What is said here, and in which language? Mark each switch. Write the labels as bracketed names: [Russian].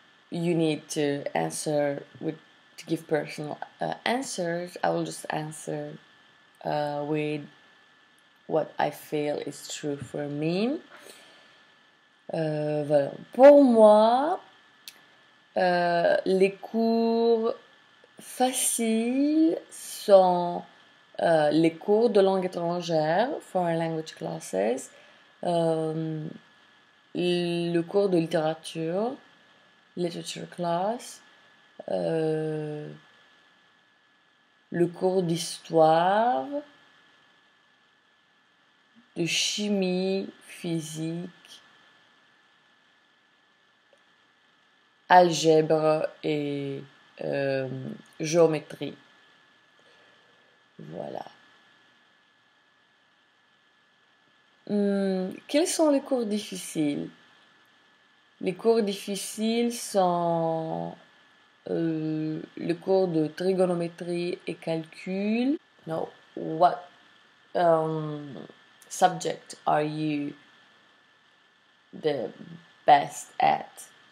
[English] You need to answer with to give personal answers. I will just answer with what I feel is true for me. [French] Voilà. Pour moi, les cours faciles sont les cours de langue étrangère, [English] foreign language classes, [French] le cours de littérature, [English] literature class, [French] le cours d'histoire, de chimie, physique, algèbre et géométrie. Voilà. Quels sont les cours difficiles? Les cours difficiles sont le cours de trigonométrie et calcul. [English] Now, what subject are you the best at?